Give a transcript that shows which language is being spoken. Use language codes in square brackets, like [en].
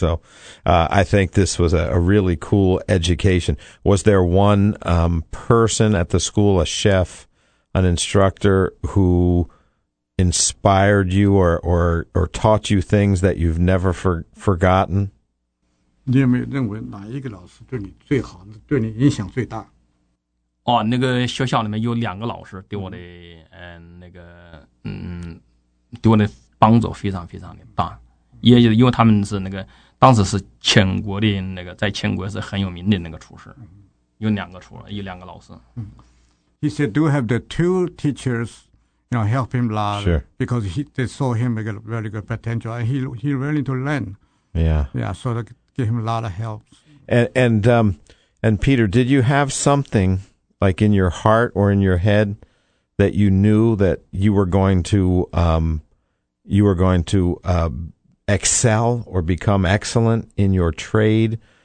[en] So I think this was a really cool education. Was there one person at the school, a chef, an instructor, who inspired you or taught you things that you've never forgotten? [zh] 你有没有认为哪一个老师对你最好，对你影响最大？哦，那个学校里面有两个老师对我的，对我的帮助非常非常的大，也就是因为他们是那个当时是全国的那个在全国是很有名的那个厨师，有两个老师。 [en] He said, "Do have the two teachers, you know, help him a lot、 sure. because they saw him make a very good potential, and he really to learn." Yeah, yeah. So they give him a lot of help. And Peter, did you have something? like in your heart or in your head that you knew that you were going to excel or become excellent in your trade?